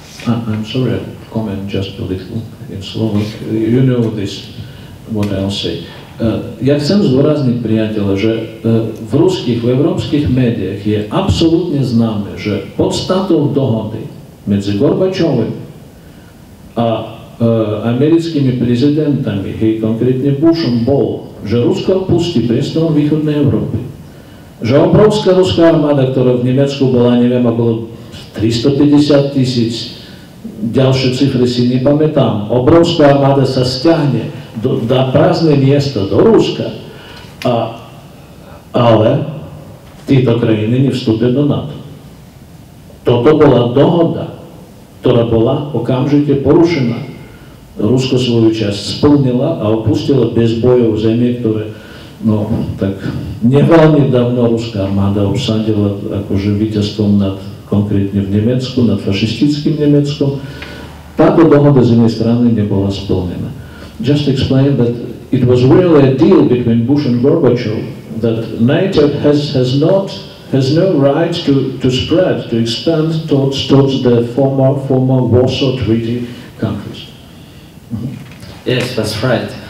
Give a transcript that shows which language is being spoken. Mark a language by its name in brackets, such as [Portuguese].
[English] I'm sorry, I'll comment just a little in Slovak. You know this, what I'll say. [Slovak] Ja chcem zdôrazniť, priateľe, že v ruských, v európskych médiách je absolútne známe, že podstatou dohody medzi Gorbačovým a americkými prezidentami, hej, konkrétne Bushom, bol, že Rusko opustí priestor východnej Európy. Že obrovská ruská armáda, ktorá v Nemecku bola, neviem, a bolo 350 tisíc, ďalšie cifry si nepamätám, obrovská armáda sa stiahne, dá prázdne miesto do Ruska, ale tieto krajiny nevstúpia do NATO. Toto bola dohoda, ktorá bola okamžite porušená. Rusko svoju časť splnila a opustila bez bojov zemie, ktoré, no tak neveľmi dávno ruská armáda obsadila akože víťazstvom nad, konkrétne v Nemecku, nad fašistickým Nemeckom. Táto dohoda z jednej strany nebola splnená. [English] Just explain that it was really a deal between Bush and Gorbachev that NATO has no right to spread, to expand towards the former Warsaw Treaty countries. Yes, that's right.